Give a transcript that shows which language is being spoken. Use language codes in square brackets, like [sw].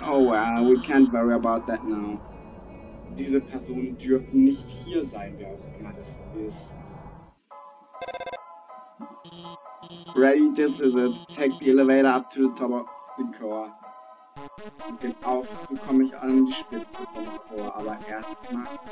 [en] Oh well, we can't worry about that now. [de] Diese Personen dürfen nicht hier sein, wer auch immer das ist. [en] Ready, this is it. Take the elevator up to the top of the core. [de] Mit dem Aufzug komme ich an die Spitze vom Chor, aber erstmal.